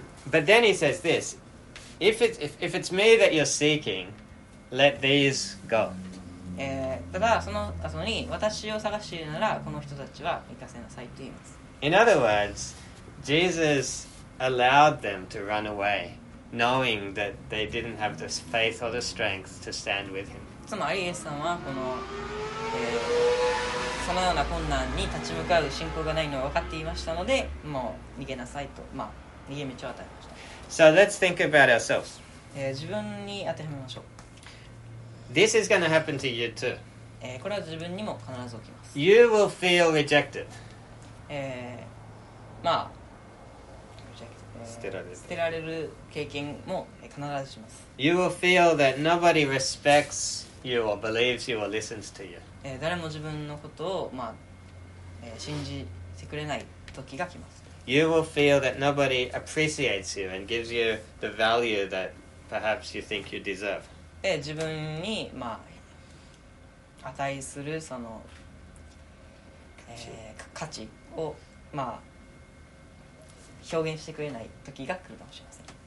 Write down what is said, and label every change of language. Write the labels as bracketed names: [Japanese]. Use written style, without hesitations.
[English] But then he says this: If it's me that you're seeking, let these go. [Japanese] ただその後に私を探しているならこの人たちは行かせなさいと言います。 [English] In other words, Jesus allowed them to run away, knowing that they didn't have the faith or the strength to stand with him. [Japanese] つまりイエスさんはこの。そのような困難に立ち向かう信仰がないのを分かっていましたので、もう逃げなさいと、まあ、逃げ道を与えました。 [English] So let's think about ourselves. [Japanese] 自分に当てはめましょう。 [English] This is going to happen to you too. [Japanese] これは自分にも必ず起きます。 [English] You will feel rejected. [Japanese] まあ、捨てられる経験も必ずします。 [English] You will feel that nobody respects you or believes you or listens to you. [Japanese] 誰も自分のことを、まあ信じてくれない時が来ます。 [English] You will feel that nobody appreciates you and gives you the value that perhaps you think you deserve. [Japanese] 自分に、まあ、値するその、価値を、まあ、表現してくれない時が来るかもしれません。